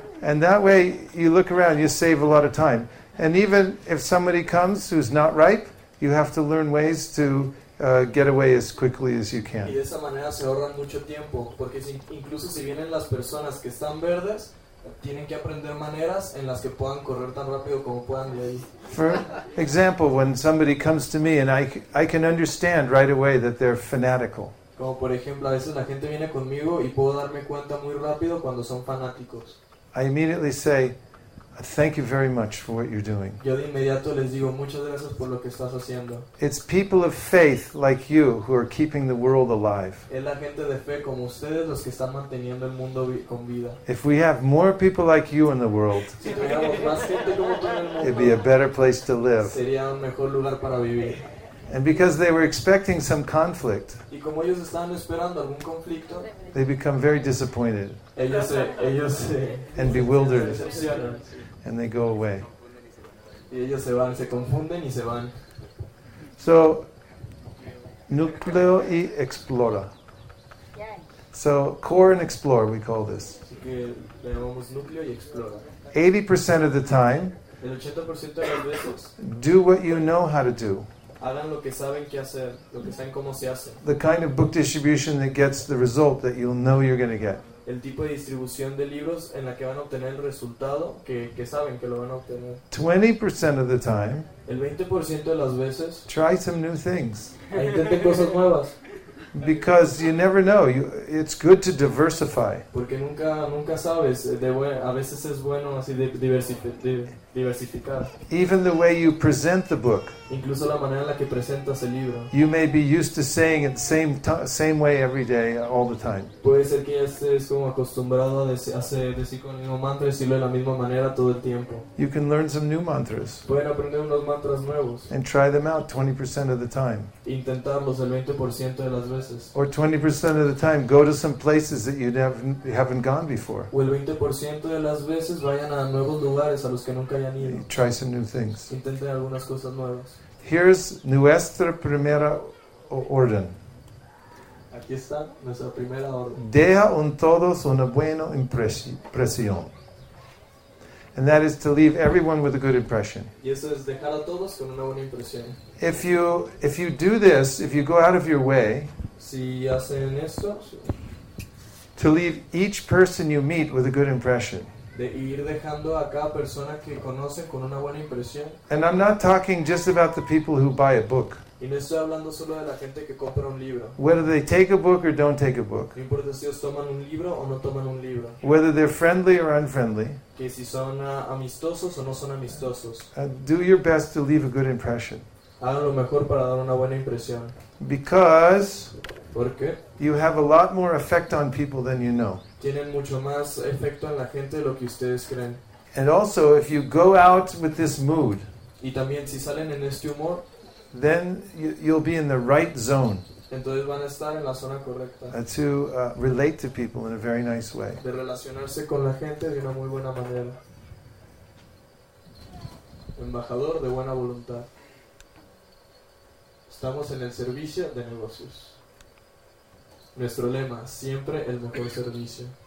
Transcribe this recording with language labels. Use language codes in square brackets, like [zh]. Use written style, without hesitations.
[en] And that way, you look around, you save a lot of time. And even if somebody comes who's not ripe, you have to learn ways to get away as quickly as you can. [es] Y de esa manera se ahorran mucho tiempo, porque si, incluso si vienen las personas que están verdes, tienen que aprender maneras en las que puedan correr tan rápido como puedan de ahí. [en] For example, when somebody comes to me and I can understand right away that they're fanatical. [es] Como por ejemplo, a veces la gente viene conmigo y puedo darme cuenta muy rápido cuando son fanáticos. [en] I immediately say, thank you very much for what you're doing. [es] Yo de inmediato les digo, muchas gracias por lo que estás haciendo. [en] It's people of faith like you who are keeping the world alive. [es] Es la gente de fe como ustedes los que están manteniendo el mundo con vida. [en] If we have more people like you in the world, [es] si tuviéramos más gente como tú en el mundo, [en] it'd be a better place to live. [es] Sería un mejor lugar para vivir. [en] And because they were expecting some conflict, [es] y como ellos estaban esperando algún conflicto, [en] they become very disappointed and bewildered, and they go away. [es] Y ellos se van, se confunden y se van. So, núcleo y explora. [en] So, core and explore, we call this. 80% of the time, [es] el 80% de las veces, [en] do what you know how to do. [es] Hagan lo que saben qué hacer, lo que saben cómo se hace. [en] The kind of book distribution that gets the result that you'll know you're going to get. [es] El tipo de distribución de libros en la que van a obtener el resultado que saben que lo van a obtener. [en] 20% of the time. [es] El 20% de las veces. [en] Try some new things. [es] Intenten cosas nuevas. [en] Because you never know. It's good to diversify. [es] Porque nunca sabes. A veces es bueno así diversificar. [en] Even the way you present the book. [es] Incluso la manera en la que presentas el libro. [en] You may be used to saying it same way every day, all the time. [es] Puede ser que ya estés como acostumbrado a decir con el mismo mantra y decirlo de la misma manera todo el tiempo. [en] You can learn some new mantras. [es] Pueden aprender unos mantras nuevos. [en] And try them out 20% of the time. [es] Intentarlos el 20% de las veces. [en] Or 20% of the time, go to some places that you haven't gone before. [es] O el 20% de las veces vayan a nuevos lugares a los que nunca hayan ido. [en] Try some new things. [es] Intenten algunas cosas nuevas. Here's nuestra primera orden. Aquí está nuestra primera orden. Deja en todos una buena impresión. [en] And that is to leave everyone with a good impression. [es] Y eso es dejar a todos con una buena impresión. [en] If you do this, if you go out of your way, [es] si hacen esto, [en] to leave each person you meet with a good impression. [es] De ir dejando a cada persona que conoce con una buena impresión. [en] And I'm not talking just about the people who buy a book. [es] Y no estoy hablando solo de la gente que compra un libro. [en] Whether they take a book or don't take a book. [es] No importa si ellos toman un libro o no toman un libro. [en] Whether they're friendly or unfriendly. [es] Que si son amistosos o no son amistosos. [en] Do your best to leave a good impression. [es] Hagan lo mejor para dar una buena impresión. [en] Because [es] ¿por qué? [en] You have a lot more effect on people than you know. [es] Tienen mucho más efecto en la gente de lo que ustedes creen. [en] And also, if you go out with this mood, [es] y también si salen en este humor, [en] then you'll be in the right zone. [es] Entonces van a estar en la zona correcta. [en] To relate to people in a very nice way. [es] De relacionarse con la gente de una muy buena manera. Embajador de buena voluntad. Estamos en el servicio de negocios. Nuestro lema, siempre el mejor servicio.